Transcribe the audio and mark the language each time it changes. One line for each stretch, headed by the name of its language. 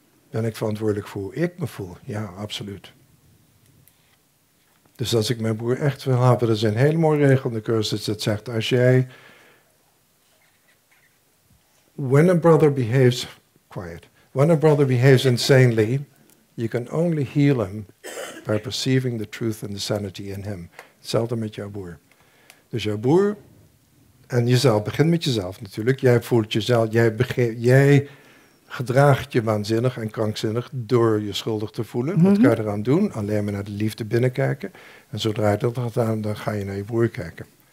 Dutch: Ben ik verantwoordelijk voor hoe ik me voel? Ja, absoluut. Dus als ik mijn broer echt wil helpen, dat is een hele mooie regel in de cursus. Dat zegt, als jij,
English: when a brother behaves, quiet. When a brother behaves insanely, you can only heal him by perceiving the truth and the sanity in him.
Dutch: Hetzelfde met jouw broer. Dus jouw broer en jezelf, begin met jezelf natuurlijk. Jij voelt jezelf, jij gedraagt je waanzinnig en krankzinnig door je schuldig te voelen. Mm-hmm. Wat kan je eraan doen? Alleen maar naar de liefde binnenkijken. En zodra je dat gaat aan, dan ga je naar je broer kijken.